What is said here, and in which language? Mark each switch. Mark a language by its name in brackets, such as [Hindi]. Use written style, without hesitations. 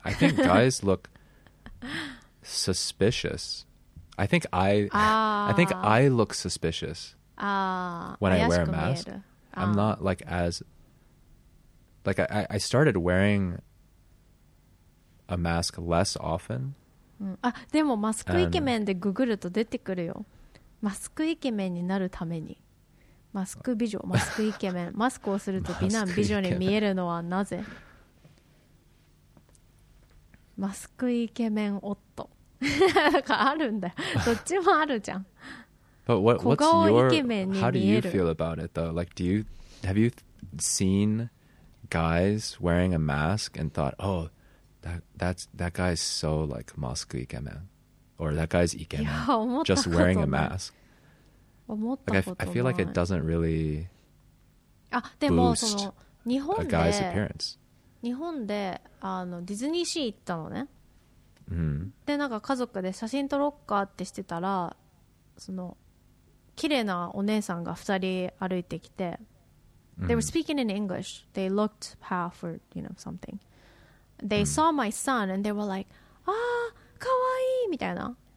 [English] I think guys look suspicious. I think I look suspicious when I wear a mask. I'm not like as like I started wearing a mask less often. [Japanese] でもマスクイケメンでググると出てくるよ。マスクイケメンになるためにマスク美女、マスクイケメン、マスクをすると美男美女に見えるのはなぜ？マスクイケメン夫なんかあるんだよ。どっちもあるじゃん。 [English] But what's your, how do you feel about it though? Like, have you seen guys wearing a mask and thought, oh, that guy's so like masku ikemen, or that guy's ikemen just wearing a mask? Like, I feel like it doesn't really boost a guy's appearance. [Japanese] 日本でディズニーシー行ったのね。で、なんか家族で写真撮ろっかってしてたら、その綺麗なお姉さんが二人歩いてきて、 [English] They were speaking in English. They looked powerful, you know, something. They saw my son and they were like, ah, [Japanese] かわいいみたいな。